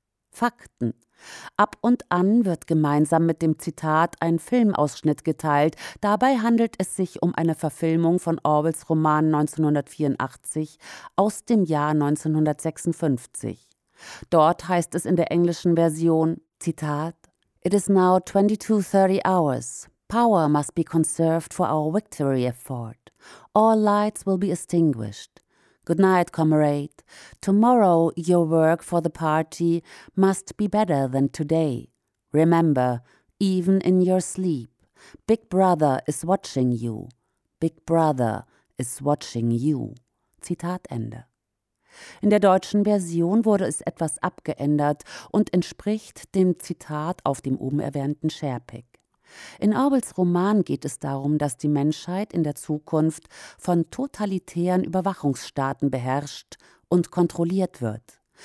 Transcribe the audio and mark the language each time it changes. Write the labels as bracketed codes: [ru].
[de] Fakten: Ab und an wird gemeinsam mit dem Zitat ein Filmausschnitt geteilt. Dabei handelt es sich um eine Verfilmung von Orwells Roman 1984 aus dem Jahr 1956. Dort heißt es in der englischen Version, Zitat: It is now 22:30 hours. [en] Power must be conserved for our victory effort. All lights will be extinguished. Good night, comrade. Tomorrow your work for the party must be better than today. Remember, even in your sleep, Big Brother is watching you. Big Brother is watching you. [de] Zitat Ende. In der deutschen Version wurde es etwas abgeändert und entspricht dem Zitat auf dem oben erwähnten Sharepic. In Orwells Roman geht es darum, dass die Menschheit in der Zukunft von totalitären Überwachungsstaaten beherrscht und kontrolliert wird.